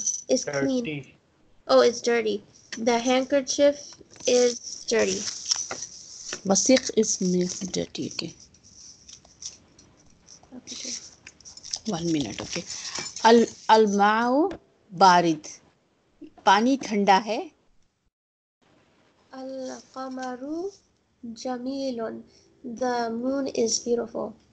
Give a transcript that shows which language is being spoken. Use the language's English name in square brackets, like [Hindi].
[English] is clean or is dirty the handkerchief is dirty وسیخ is men's dirty کے one minute okay [Arabic] الماء بارد [Urdu] پانی ٹھنڈا ہے [Arabic] القمر جميل [English] the moon is beautiful